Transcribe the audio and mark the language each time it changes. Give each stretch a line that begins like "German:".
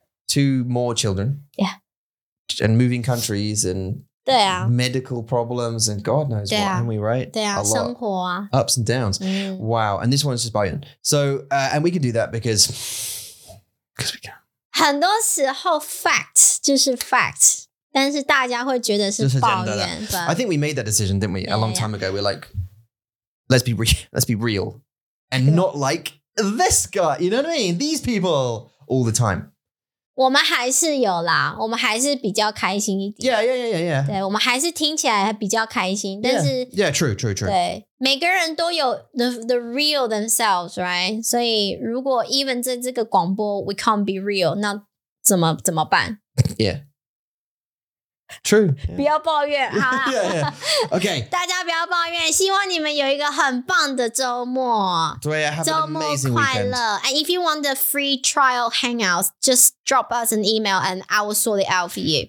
English: Two more children. Yeah. And moving countries and
Chinese: 对啊。
English: Medical problems and God knows
Chinese: 对啊。
English: What, aren't we, right?
Chinese: 对啊,
English: a lot.
Chinese: 生活啊。
English: Ups and downs. Mm. Wow. And this one's just buy-in. So, and we can do that because we can.
Chinese: 很多时候 fact 就是 fact. 但是大家会觉得是抱怨。
English: But, I think we made that decision, didn't we? Yeah, a long time ago, we're like, let's be real. And not like this guy, you know what I mean? These people all the time.
Chinese: 我们还是有啦，我们还是比较开心一点。
English: Yeah, yeah, yeah, yeah, yeah.
Chinese: 对，我们还是听起来比较开心，但是。
English: Yeah, yeah true, true, true.
Chinese: 对，每个人都有
English: the real themselves, right?
Chinese: 所以如果
English: even
Chinese: 在这个广播
English: we can't be real,
Chinese: 那怎么办
English: Yeah. True.
Chinese: 不要抱怨好啦
English: yeah, yeah. Okay.
Chinese: 大家不要抱怨希望你们有一个很棒的周末。对
English: have
Chinese: 周末快乐。
English: And if you want the free trial hangouts, just drop us an email and I will sort it out for you.